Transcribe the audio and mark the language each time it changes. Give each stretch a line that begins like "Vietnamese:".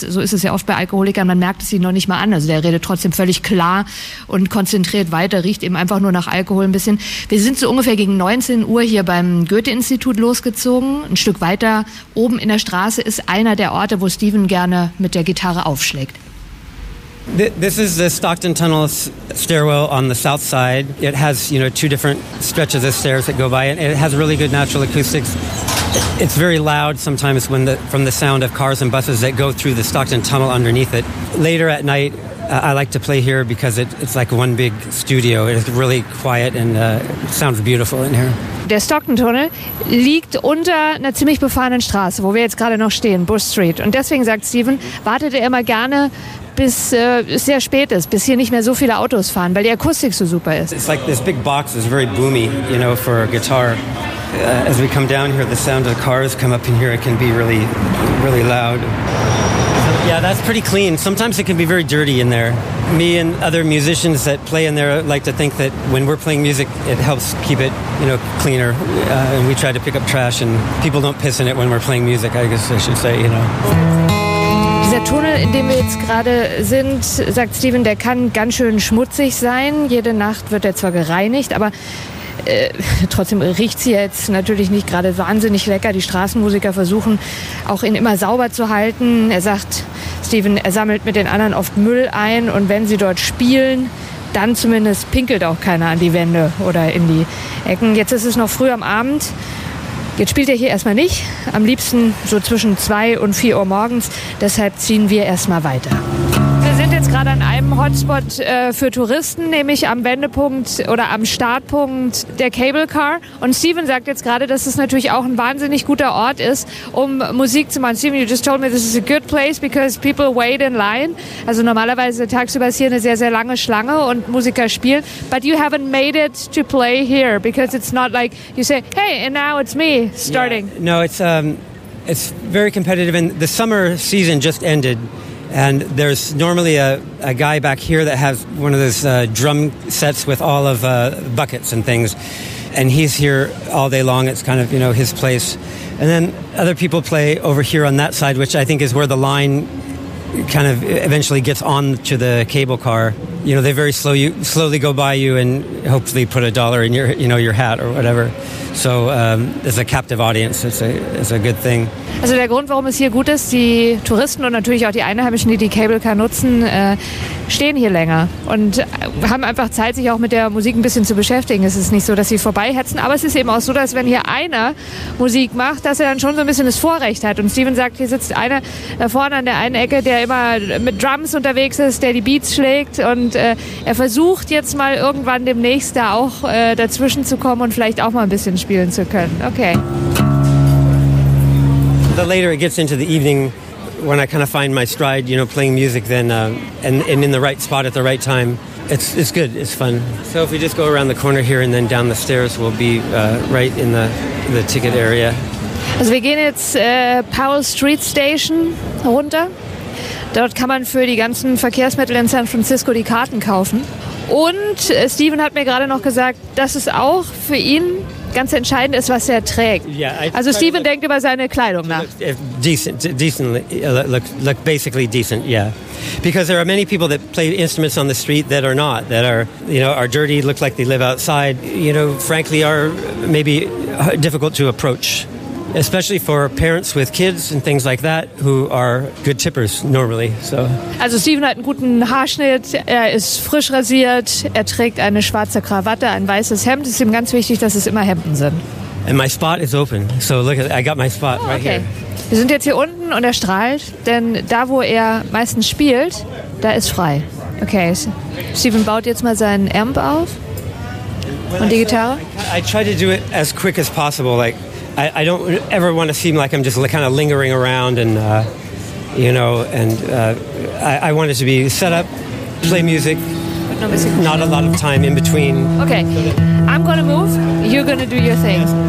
German: So ist es ja oft bei Alkoholikern, man merkt es ihn noch nicht mal an. Also der redet trotzdem völlig klar und konzentriert weiter, riecht eben einfach nur nach Alkohol ein bisschen. Wir sind so ungefähr gegen 19 Uhr hier beim Goethe-Institut losgezogen, ein Stück weiter oben in der Straße ist einer der Orte, wo Steven gerne mit der Gitarre aufschlägt.
English: This is the Stockton Tunnel stairwell on the south side. It has, you know, two different stretches of stairs that go by, and it has really good natural acoustics. It's very loud sometimes when from the sound of cars and buses that go through the Stockton Tunnel underneath it. Later at night, I like to play here because it's like one big studio. It's really quiet and sounds beautiful in here.
German: Der Stockton-Tunnel liegt unter einer ziemlich befahrenen Straße, wo wir jetzt gerade noch stehen, Bush Street. Und deswegen, sagt Steven, wartet er immer gerne, bis es sehr spät ist, bis hier nicht mehr so viele Autos fahren, weil die Akustik so super ist.
English: It's like this big box is very boomy, you know, for a guitar. As we come down here, the sound of the cars come up in here, it can be really, really loud. Yeah, that's pretty clean. Sometimes it can be very dirty in there. Me and other musicians that play in there like to think that when we're playing music, it helps keep it, you know, cleaner. And we try to pick up trash and people don't piss in it when we're playing music, I guess I should say, you know.
German: Dieser Tunnel, in dem wir jetzt gerade sind, sagt Steven, der kann ganz schön schmutzig sein. Jede Nacht wird er zwar gereinigt, aber trotzdem riecht sie jetzt natürlich nicht gerade wahnsinnig lecker. Die Straßenmusiker versuchen auch ihn immer sauber zu halten. Er sagt, Steven, er sammelt mit den anderen oft Müll ein und wenn sie dort spielen, dann zumindest pinkelt auch keiner an die Wände oder in die Ecken. Jetzt ist es noch früh am Abend. Jetzt spielt er hier erstmal nicht. Am liebsten so zwischen 2 und 4 Uhr morgens. Deshalb ziehen wir erstmal weiter. Wir sind jetzt gerade an einem Hotspot für Touristen, nämlich am Wendepunkt oder am Startpunkt der Cable Car. Und Steven sagt jetzt gerade, dass es natürlich auch ein wahnsinnig guter Ort ist, um Musik zu machen.
English: Steven, you just told me this is a good place because people wait in line.
German: Also normalerweise tagsüber ist hier eine sehr, sehr lange Schlange und Musiker spielen.
English: But you haven't made it to play here because it's not like you say, hey, and now it's me starting. Yeah. No, it's very competitive and the summer season just ended. And there's normally a guy back here that has one of those drum sets with all of buckets and things. And he's here all day long. It's kind of, you know, his place. And then other people play over here on that side, which I think is where the line kind of eventually gets on to the cable car. You know, they very slowly go by you and hopefully put a dollar in your hat or whatever. So it's a captive audience. It's a good thing.
German: Also der Grund, warum es hier gut ist, die Touristen und natürlich auch die Einheimischen, die Cable Car nutzen, stehen hier länger und haben einfach Zeit, sich auch mit der Musik ein bisschen zu beschäftigen. Es ist nicht so, dass sie vorbeihetzen, aber es ist eben auch so, dass wenn hier einer Musik macht, dass er dann schon so ein bisschen das Vorrecht hat. Und Steven sagt, hier sitzt einer da vorne an der einen Ecke, der immer mit Drums unterwegs ist, der die Beats schlägt und er versucht jetzt mal irgendwann demnächst da auch dazwischen zu kommen und vielleicht auch mal ein bisschen spielen zu können. Okay.
English: The later it gets into the evening, when I kind of find my stride, you know, playing music then and in the right spot at the right time, It's good. It's fun. So if we just go around the corner here and then down the stairs, we'll be right in the ticket area.
German: Also wir gehen jetzt Powell Street Station runter. Dort kann man für die ganzen Verkehrsmittel in San Francisco die Karten kaufen. Und Steven hat mir gerade noch gesagt, dass es auch für ihn ganz entscheidend ist, was er trägt. Also Steven denkt über seine Kleidung nach.
English: Look basically decent, yeah. Because there are many people that play instruments on the street that are not, that are, you know, are dirty, look like they live outside, you know, frankly are maybe difficult to approach. Especially for parents with kids and things like that, who are good tippers normally. So.
German: Also Steven hat einen guten Haarschnitt, er ist frisch rasiert, er trägt eine schwarze Krawatte, ein weißes Hemd. Es ist ihm ganz wichtig, dass es immer Hemden sind.
English: And my spot is open, so look, I got my spot right here.
German: Wir sind jetzt hier unten und er strahlt, denn da, wo er meistens spielt, da ist frei. Okay, Steven baut jetzt mal seinen Amp auf und die Gitarre.
English: I try to do it as quick as possible, like, I don't ever want to seem like I'm just kind of lingering around and, you know, and I want it to be set up, play music, not a lot of time in between. Okay, I'm going to move, you're going to do your thing.